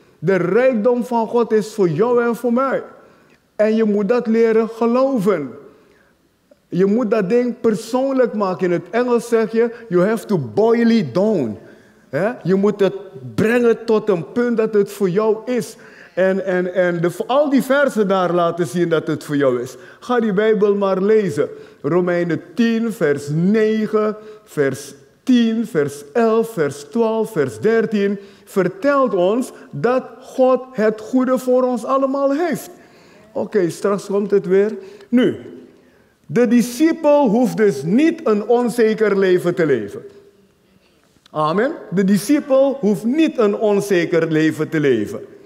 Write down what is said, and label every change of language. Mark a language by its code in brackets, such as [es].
[nl] De rijkdom van God is voor jou en voor mij. En je moet dat leren geloven. Je moet dat ding persoonlijk maken. In het Engels zeg je, [en] you have to boil it down. [nl] He? Je moet het brengen tot een punt dat het voor jou is. En al die versen daar laten zien dat het voor jou is. Ga die Bijbel maar lezen. Romeinen 10, vers 9, vers 10, vers 11, vers 12, vers 13. Vertelt ons dat God het goede voor ons allemaal heeft. Oké, straks komt het weer. Nu, de discipel hoeft dus niet een onzeker leven te leven. Amen. De discipel hoeft niet een onzeker leven te leven.